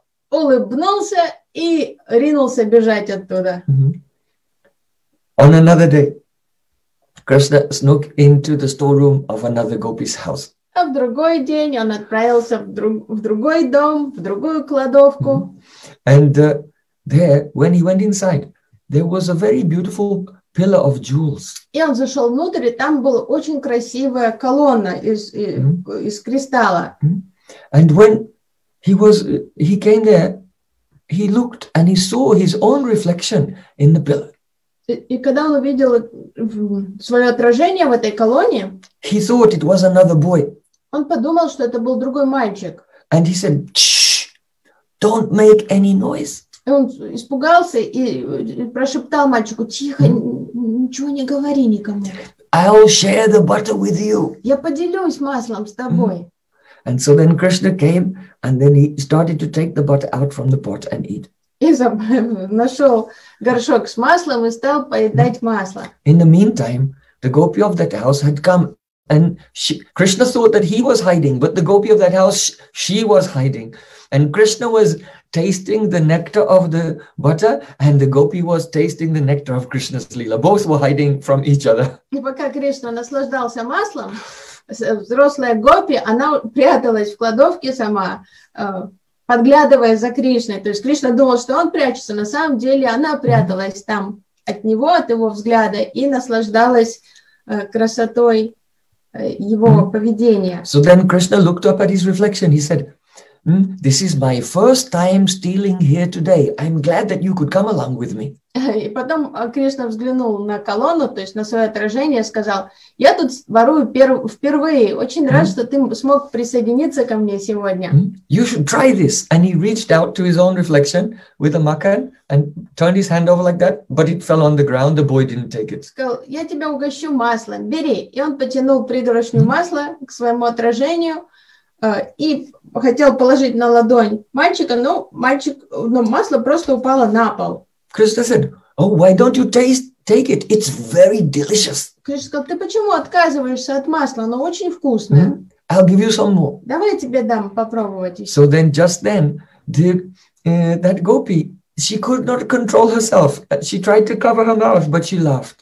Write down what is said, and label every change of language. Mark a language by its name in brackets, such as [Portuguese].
[Russian] Улыбнулся и ринулся бежать оттуда. [English] On another day, Krishna snuck into the storeroom of another gopi's house. [Russian] А в другой день он отправился в другой дом, в другую кладовку. [English] There, when he went inside, there was a very beautiful pillar of jewels. [Russian] И он зашел внутрь, и там была очень красивая колонна из из кристалла. [English] And when he came there, he looked and he saw his own reflection in the pillar. [Russian] И когда он увидел свое отражение в этой колонне, [English] he thought it was another boy. [Russian] Он подумал, что это был другой мальчик. [English] And he said, "Shh, don't make any noise." [Russian] Он испугался и прошептал мальчику, тихо, ничего не говори никому. [English] I'll share the butter with you. [Russian] Я поделюсь маслом с тобой. [English] And so then Krishna came and then he started to take the butter out from the pot and eat. [Russian] И нашел горшок с маслом и стал поедать масло. [English] In the meantime, the gopi of that house had come and Krishna thought that he was hiding, but the gopi of that house, she was hiding. And Krishna was tasting the nectar of the butter, and the gopi was tasting the nectar of Krishna's lila. Both were hiding from each other. [Russian] И пока Кришна наслаждался маслом, взрослая гопи, она пряталась в кладовке сама, подглядывая за Кришной. То есть Кришна думал, что он прячется, на самом деле она пряталась там от него, от его взгляда, и наслаждалась красотой его поведения. [English] So then Krishna looked up at his reflection. He said, this is my first time stealing here today. I'm glad that you could come along with me. [Russian] И потом Кришна взглянул на колонну, то есть на свое отражение, сказал, я тут ворую впервые. Очень рад, что ты смог присоединиться ко мне сегодня. [English] You should try this. And he reached out to his own reflection with a makan and turned his hand over like that, but it fell on the ground. The boy didn't take it. [Russian] Сказал, я тебя угощу маслом, бери. И он потянул пригоршню масла к своему отражению, и хотел положить на ладонь мальчика, но масло просто упало на пол. [English] Krishna said, "Oh, why don't you take it? It's very delicious." [Russian] Krishna сказал, "Ты почему отказываешься от масла? Оно очень вкусное." [English] I'll give you some more. [Russian] Давай я тебе дам попробовать. [English] So then, just then, that gopi, she could not control herself. She tried to cover her mouth, but she laughed.